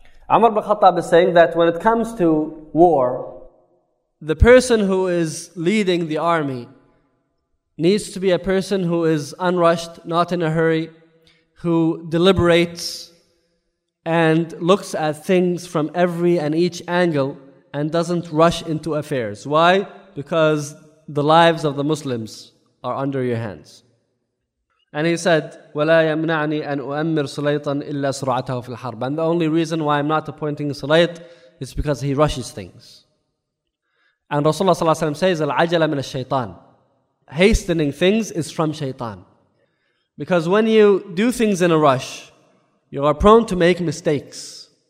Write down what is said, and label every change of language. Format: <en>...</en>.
<en>Umar ibn Khattab is saying that when it comes to war, the person who is leading the army needs to be a person who is unrushed, not in a hurry, who deliberates and looks at things from every and each angle and doesn't rush into affairs. Why? Because the lives of the Muslims are under your hands. And he said,</en> <ar>وَلَا يَمْنَعْنِي أَنْ أُؤَمِّرْ سُلَيْطًا إِلَّا سُرْعَتَهُ فِي الْحَرْبِ.</ar> <en>And the only reason why I'm not appointing Sulayt is because he rushes things. And Rasulullah sallallahu alayhi wa sallam says,</en> <ar>الْعَجَلَ مِنَ الشَّيْطَانِ.</ar> <en>Hastening things is from shaitan. Because when you do things in a rush, you are prone to make mistakes.</en>